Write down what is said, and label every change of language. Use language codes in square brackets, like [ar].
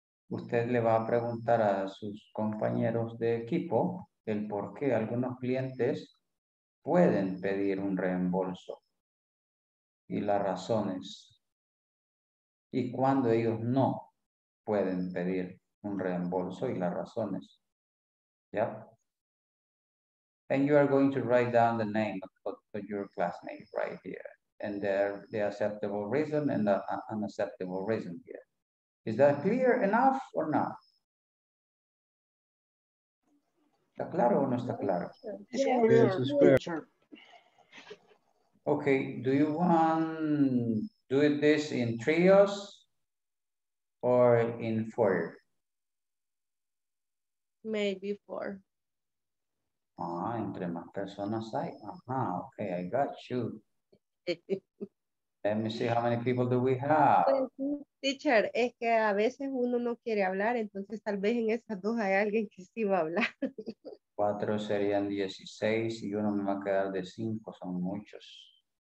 [es] Usted le va a preguntar a sus compañeros de equipo el por qué algunos clientes pueden pedir un reembolso y las razones y cuando ellos no pueden pedir un reembolso y las razones. [en] Yep. And you are going to write down the name of your classmate right here and the acceptable reason and the unacceptable reason here. Is that clear enough or not? [es] ¿Está claro o no está claro? [en] It's clear. Yes, okay, do you want do this in trios or in four? Maybe four. [es] Ah, entre más personas hay. [en] Uh-huh, okay, I got you. Let me see how many people do we have. [es] Teacher, es que a veces uno no quiere hablar, entonces tal vez en esas dos hay alguien que sí va a hablar. Cuatro serían 16 y uno me va a quedar de cinco, son muchos.